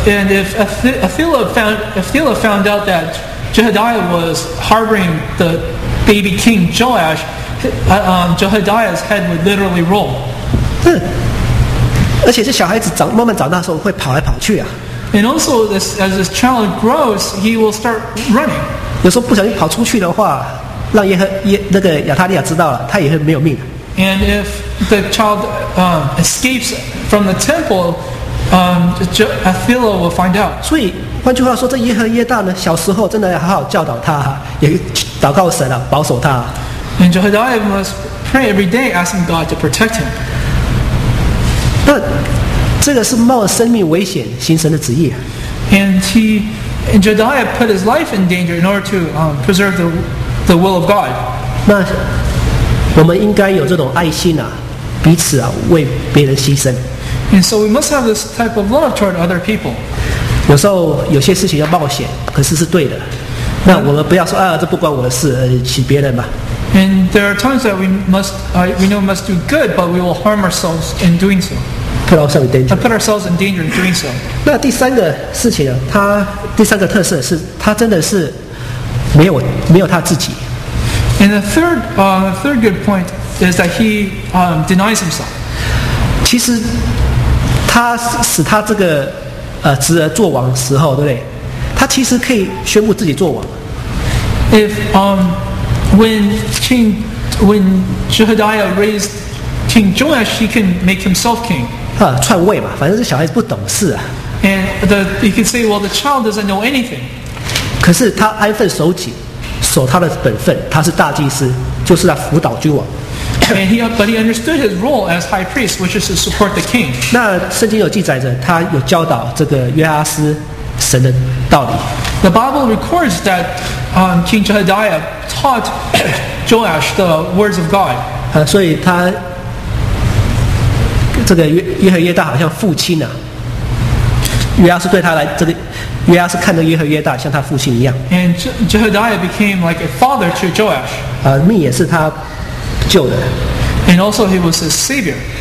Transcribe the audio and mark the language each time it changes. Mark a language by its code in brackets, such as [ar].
[en] And if Athaliah found out that Jehadiah was harboring the baby king Joash, Jehadiah's head would literally roll. [zh] 而且这小孩子长慢慢长大的时候会跑来跑去啊。 [en] And also, as this child grows, he will start running. [zh] 有时候不小心跑出去的话，让那个亚塔利亚知道了，他也会没有命的。 [en] And if the child escapes from the temple. Athaliah will find out. [zh] 所以，换句话说，这耶和耶大呢，小时候真的要好好教导他，也祷告神啊，保守他。 [en] And Jehadiah must pray every day, asking God to protect him. [zh] 那这个是冒生命危险行神的旨意。 [en] And Jehadiah put his life in danger in order to preserve the will of God. [zh] 那我们应该有这种爱心啊，彼此啊，为别人牺牲。 [en] And so we must have this type of love toward other people. [zh] 有时候有些事情要冒险，可是是对的。那我们不要说啊，这不关我的事，请别人吧。 [en] And there are times that we must do good, but we will harm ourselves in doing so. Put ourselves in danger in doing so. [zh] 那第三个事情呢？他第三个特色是他真的是没有他自己。 [en] And the third good point is that he denies himself. [zh] 其实。他使他这个侄儿做王时候，对不对？他其实可以宣布自己做王。 [en] If when Jehadiah raised King Joash, he can make himself king. [zh] 啊，篡位嘛，反正这小孩子不懂事啊。 [en] And you can say, well, the child doesn't know anything. [zh] 可是他安分守己，守他的本分，他是大祭司，就是在辅导君王。 [en] And he understood his role as high priest, which is to support the king. [zh] 那圣经有记载着，他有教导这个约阿斯神的道理。 [en] The Bible records that King Jehadiah taught Joash the words of God. [zh] 所以他这个耶和耶大好像父亲啊，约阿斯对他来这个约阿斯看着耶和耶大像他父亲一样。 [en] And Jehadiah became like a father to Joash. [zh] 命也是他。救的 [en] ，and also he was his savior.